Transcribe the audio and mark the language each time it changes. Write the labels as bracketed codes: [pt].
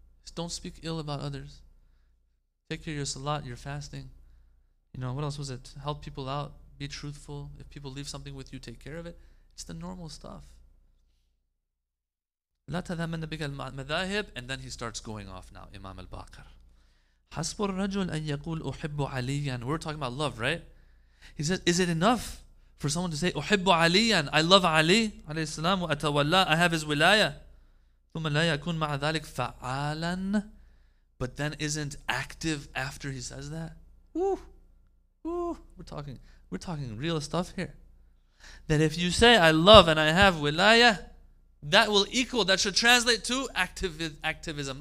[en] Just don't speak ill about others. Take care of your salat, your fasting. You know, what else was it? Help people out. Be truthful. If people leave something with you, take care of it. It's the normal stuff. [ar] لَا تَذَمَنَّ بِكَ الْمَذَاهِبِ [en] And then he starts going off now, Imam al-Baqir. [ar] حَسْبُ الرَّجُلْ أَن يَقُولْ أُحِبُّ عَلِيًّا [en] We're talking about love, right? He says, is it enough for someone to say, [ar] أُحِبُّ عَلِيًّا [en] I love Ali, عليه السلام, [ar] وأتولى, [en] I have his wilayah. [ar] ثُمَّ لَا يَكُونْ مَعَ ذَلِكْ فَعَالًا [en] But then isn't active after he says that? Woo! Woo! We're talking real stuff here. That if you say, I love and I have wilaya, that will equal, that should translate to activism.